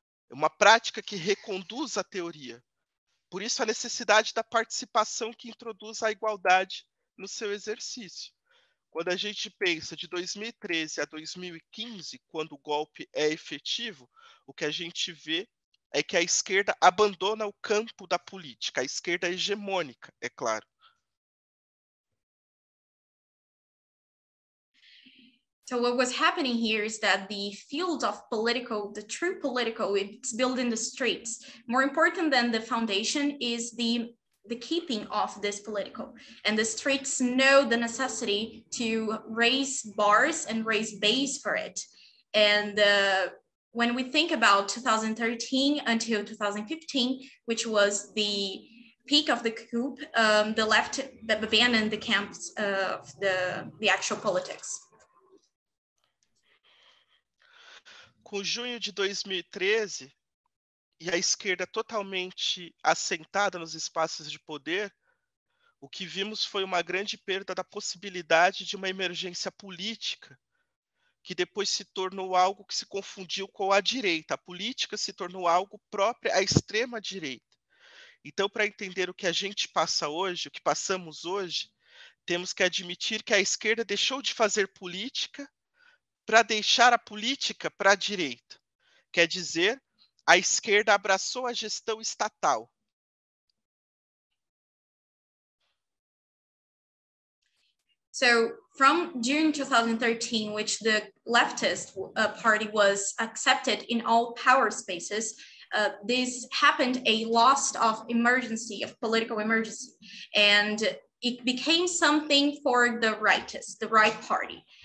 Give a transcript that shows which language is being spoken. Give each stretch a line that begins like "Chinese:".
Portuguese: É uma prática que reconduz a teoria. Por isso, a necessidade da participação que introduz a igualdade no seu exercício. Quando a gente pensa de 2013 a 2015, quando o golpe é efetivo, o que a gente vê é que a esquerda abandona o campo da política, a esquerda hegemônica, é claro.
English: So what was happening here is that the field of political, the true political, it's built in the streets. More important than the foundation is the keeping of this political. And the streets know the necessity to raise bars and raise base for it. And when we think about 2013 until 2015, which was the peak of the coup, the left abandoned the camps of the actual politics.
Portuguese: com junho de 2013, e a esquerda totalmente assentada nos espaços de poder, o que vimos foi uma grande perda da possibilidade de uma emergência política, que depois se tornou algo que se confundiu com a direita. A política se tornou algo próprio à extrema-direita. Então, para entender o que a gente passa hoje, o que passamos hoje, temos que admitir que a esquerda deixou de fazer política para deixar a política para a direita. Quer dizer, a esquerda abraçou a gestão estatal.
English: So from June 2013, which the leftist party was accepted in all power spaces, this happened a loss of emergency, of political emergency. And it became something for the rightist, the right party.